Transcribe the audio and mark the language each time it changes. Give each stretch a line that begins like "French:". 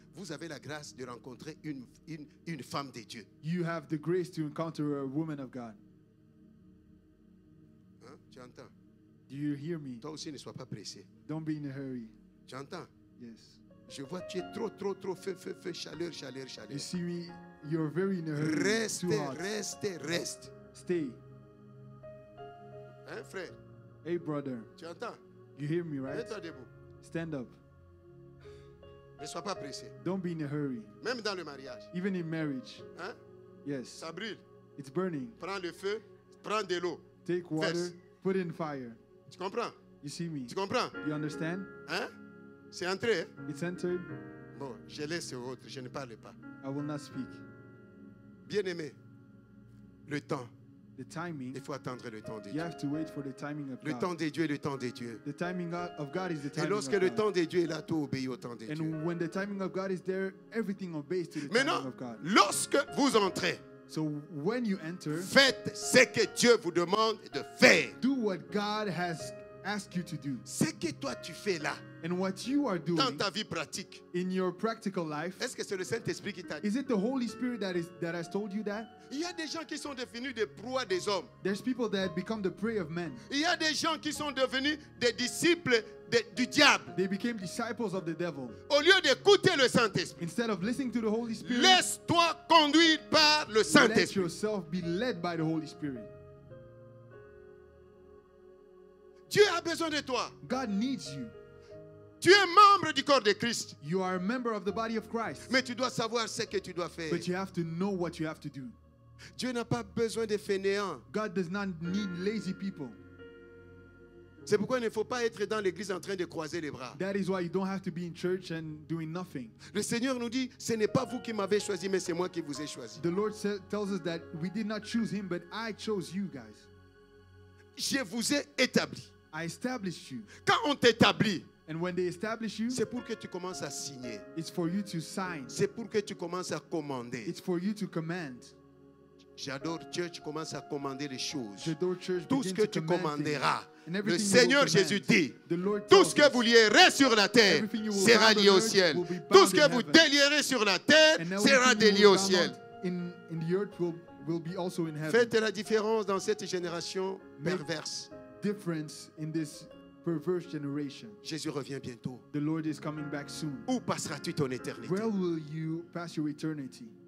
French: Vous avez la grâce de rencontrer une femme de Dieu.
English: You have the grace to encounter a woman of God.
French: Hein? Tu entends?
English: Do you hear me?
French: Toi aussi ne sois pas pressé.
English: Don't be in a hurry.
French: Tu entends?
English: Yes.
French: Je vois tu es trop feu, chaleur.
English: You see me, you're very in a hurry.
French: Reste.
English: Stay.
French: Hein, frère?
English: Hey, brother.
French: Tu entends?
English: You hear me, right?
French: Mets-toi debout.
English: Stand up.
French: Ne sois pas pressé.
English: Don't be in a hurry.
French: Même dans le mariage.
English: Even in marriage.
French: Hein?
English: Yes.
French: Ça brûle.
English: It's burning.
French: Prends le feu, prends de l'eau.
English: Take water, Fesse. Put in fire.
French: Tu comprends?
English: You see me?
French: Tu comprends?
English: You understand?
French: Hein? C'est entré.
English: It's entered.
French: Bon, je laisse aux autres, je ne parle pas.
English: I will not speak.
French: Bien-aimé, le temps.
English: The timing.
French: Il faut attendre le temps de
English: you
French: Dieu.
English: You have to wait for the timing of God.
French: Le temps de Dieu est le temps de Dieu.
English: The timing of God is the timing.
French: Et lorsque
English: of God.
French: Temps de Dieu est là, tout obéit au temps de
English: And
French: Dieu.
English: And when the timing of God is there, everything obeys to the
French: Maintenant,
English: timing of God.
French: Lorsque vous entrez.
English: So when you enter.
French: Faites ce que Dieu vous demande de faire.
English: Do what God has asked you to do.
French: Ce que toi tu fais là.
English: And what you are doing
French: dans ta vie pratique,
English: in your practical life,
French: est-ce que c'est le Saint-Esprit qui t'a dit?
English: Is it the Holy Spirit that has told you that?
French: Il y a des gens qui sont devenus des proies des hommes.
English: There's people that become the prey of men.
French: Il y a des gens qui sont devenus des disciples du diable.
English: They became disciples of the devil.
French: Au lieu d'écouter le Saint-Esprit,
English: instead of listening to the Holy Spirit,
French: laisse-toi conduire par le Saint-Esprit.
English: Let yourself be led by the Holy Spirit.
French: Dieu a besoin de toi.
English: God needs you.
French: Tu es membre du corps de Christ.
English: You are a member of the body of Christ.
French: Mais tu dois savoir ce que tu dois faire.
English: But you have to know what you have to do.
French: Dieu n'a pas besoin de fainéants.
English: God does not need lazy people.
French: C'est pourquoi il ne faut pas être dans l'église en train de croiser les bras.
English: That is why you don't have to be in church and doing nothing.
French: Le Seigneur nous dit, ce n'est pas vous qui m'avez choisi, mais c'est moi qui vous ai choisi.
English: The Lord tells us that we did not choose him, but I chose you guys.
French: Je vous ai établi.
English: I established you.
French: Quand on t'établit,
English: and when they establish you,
French: c'est pour que tu commences à signer.
English: It's for you to sign.
French: C'est pour que tu commences à commander.
English: It's for you to command.
French: J'adore church, commence à commander les choses. J'adore church, tout ce que tu commanderas.
English: Things,
French: le Seigneur Jésus dit, tout ce que vous lierez sur la terre sera lié au ciel. Tout ce que vous délierez sur la terre sera délié au ciel.
English: In the earth will be also in heaven.
French: Faites la différence dans cette génération perverse.
English: Make difference in this perverse generation.
French: Jésus revient bientôt.
English: The Lord is coming back soon.
French: Où passeras-tu ton éternité?
English: Where will you pass your eternity?